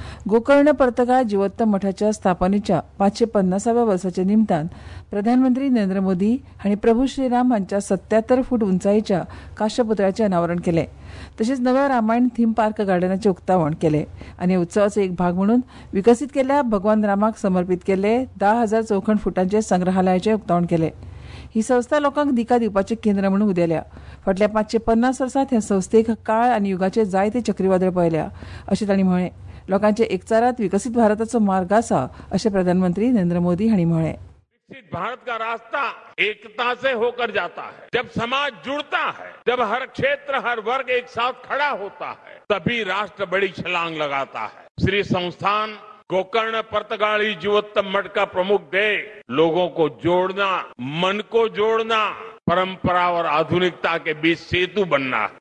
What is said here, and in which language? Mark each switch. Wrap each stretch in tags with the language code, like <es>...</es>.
<gom>गोकर्ण पर्तगाळ जिवोत्तम मठाच्या स्थापनेच्या 550व्या वर्षाच्या निमतान प्रधानमंत्री नरेंद्र मोदी हांणी प्रभू श्रीराम हांच्या 77 फूट उंचायेच्या काशपुतळ्याचे अनावरण केले. तशेंच नव्या रामायण थीम पार्क गार्डनाचे उक्तावण केले. आनी उत्सवाचो एक भाग म्हणून विकसित केल्या भगवान रामाक समर्पित केले 10,000 चौखण फुटांचे संग्रहालयाचे उक्तावण केले. ही संस्था लोकांक दिका दिवपाचे केंद्र म्हणून उदेल्या. फाटल्या 550 वर्सात ह्या संस्थेक काळ आनी युगाचे जायते चक्रीवादळ पळयल्या अशें तांणी म्हळें. लोकांचे एकचारात विकसित भारताचो मार्ग आसा अशें प्रधानमंत्री नरेंद्र मोदी हांणी म्हळें.</gom> <hi>विकसित भारत का रास्ता एकता से होकर जाता है. जब समाज जुड़ता है, जब हर क्षेत्र हर वर्ग एक साथ खड़ा होता है, तभी राष्ट्र बड़ी छलांग लगाता है. श्री संस्थान गोकर्ण पर्तगाळी जीवोत्तम मठ का प्रमुख ध्येय लोगों को जोड़ना, मन को जोड़ना, परंपरा और आधुनिकता के बीच सेतु बनना.</hi>